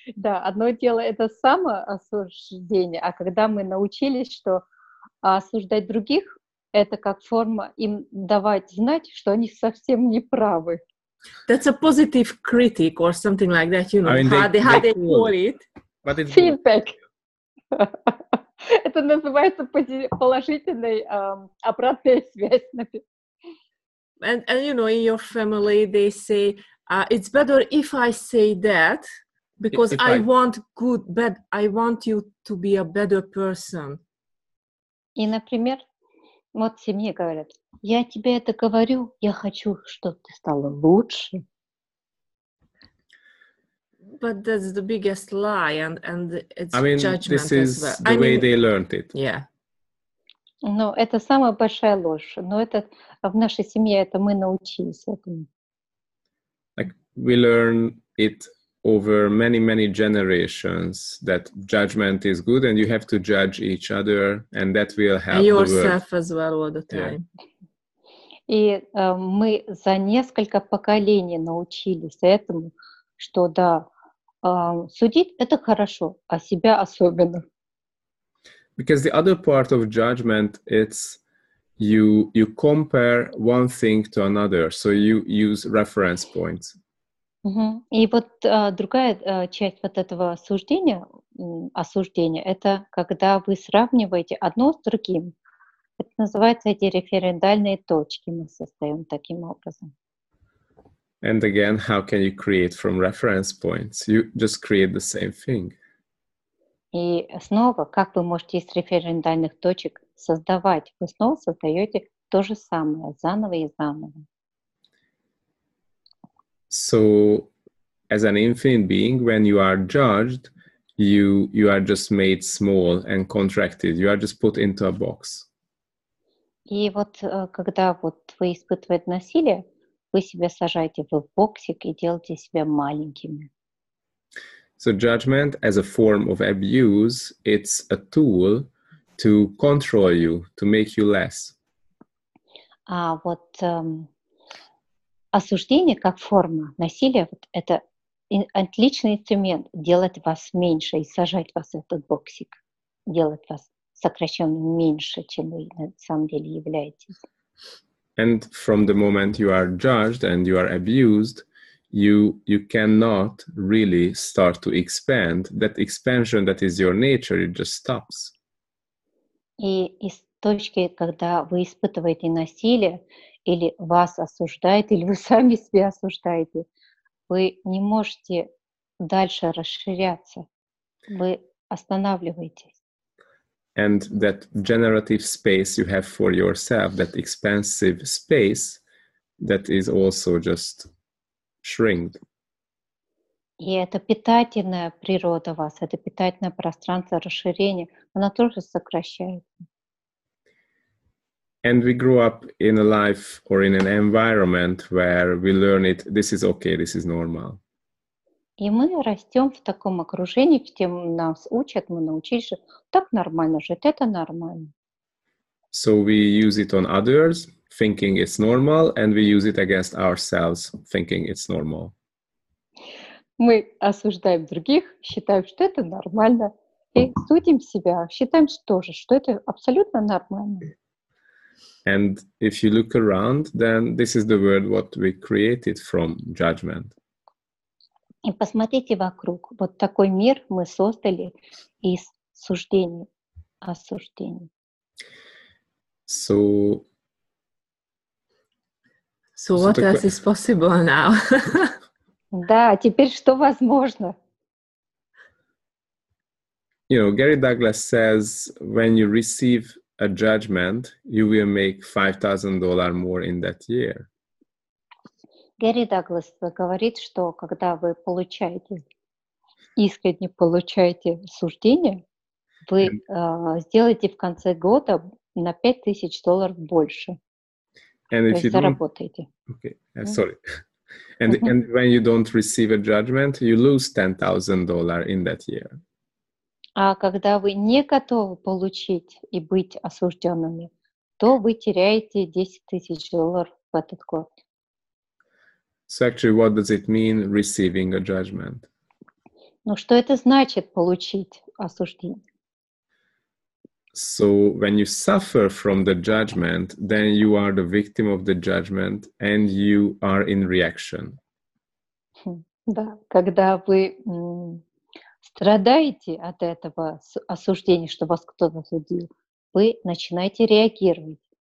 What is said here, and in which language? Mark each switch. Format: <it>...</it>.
<ru>Да, одно дело это самоосуждение, а когда мы научились, что осуждать других, это как форма им давать знать, что они совсем не правы.</ru> <en>That's a positive critic or something like that, you know, I mean, how they call it. But it's feedback.</en> <ru>Это называется положительной обратной связью.</ru> <en>And you know, in your family they say it's better if I say that because I want good, but I want you to be a better person.</en> <ru>И, например, вот в семье говорят, я тебе это говорю, я хочу, чтобы ты стала лучше.</ru> <en>But that's the biggest lie, and it's judgment as well. I mean, this is the way they learned it. Yeah.</en> <ru>Но это самая большая ложь. Но это в нашей семье это мы научились этому.</ru> <en>Like we learn it over many, many generations that judgment is good, and you have to judge each other, and that will help. And yourself as well all the time. Yeah.</en> <ru>И мы за несколько поколений научились этому, что да. Судить это хорошо, а себя особенно.</ru> <en>Because the other part of judgment, it's you compare one thing to another, so you use reference points.</en> <ru>И вот другая часть вот этого осуждения, это когда вы сравниваете одно с другим. Это называется эти референдальные точки. Мы состоим таким образом.</ru> <en>And again, how can you create from reference points? You just create the same thing.</en> <ru>И снова, как вы можете из референдальных точек создавать? Вы снова создаете то же самое, заново и заново.</ru> <en>So, as an infinite being, when you are judged, you are just made small and contracted. You are just put into a box.</en> <ru>И вот когда вот вы испытываете насилие, вы себя сажаете в боксик и делаете себя маленькими.</ru> <en>So judgment as a form of abuse, it's a tool to control you, to make you less.</en> <ru>А вот осуждение как форма насилия, вот это отличный инструмент делать вас меньше и сажать вас в этот боксик, делать вас сокращенным меньше, чем вы на самом деле являетесь.</ru> <en>And from the moment you are judged and you are abused, you cannot really start to expand. That expansion that is your nature, it just stops.</en> <ru>И из точки, когда вы испытываете насилие, или вас осуждают, или вы сами себя осуждаете, вы не можете дальше расширяться. Вы останавливаетесь.</ru> <en>And that generative space you have for yourself, that expansive space, that is also just shrinked.</en> <ru>И эта питательная природа вас, это питательное пространство расширения, она тоже сокращается.</ru> <en>And we grew up in a life or in an environment where we learn it, this is okay, this is normal.</en> <ru>И мы растем в таком окружении, где нас учат, мы научились, что так нормально жить, это нормально.</ru> <en>So we use it on others, thinking it's normal, and we use it against ourselves, thinking it's normal.</en> <ru>Мы осуждаем других, считаем, что это нормально, и судим себя, считаем тоже, что это абсолютно нормально.</ru> <en>And if you look around, then this is the world what we created from judgment.</en> <ru>И посмотрите вокруг. Вот такой мир мы создали из суждений, осуждений.</ru> <en>So what else is possible now?</en> <ru>Да, теперь что возможно?</ru> <en>You know, Gary Douglas says, when you receive a judgment, you will make $5,000 more in that year.</en> <ru>Гэри Даглас говорит, что когда вы получаете, искренне получаете суждение, вы сделаете в конце года на $5,000 больше.</ru> <en>And</en> <ru>то есть заработаете.</ru> <en>Okay, sorry. And when you don't receive a judgment, you lose $10,000 in that year.</en> <ru>А когда вы не готовы получить и быть осужденными, то вы теряете $10,000 в этот год.</ru> <en>So actually, what does it mean receiving a judgment?</en> <ru>Ну что это значит получить осуждение?</ru> <en>So when you suffer from the judgment, then you are the victim of the judgment and you are in reaction.</en> <ru>Да, когда вы страдаете от этого осуждения, что вас кто-то судил, вы начинаете реагировать.</ru>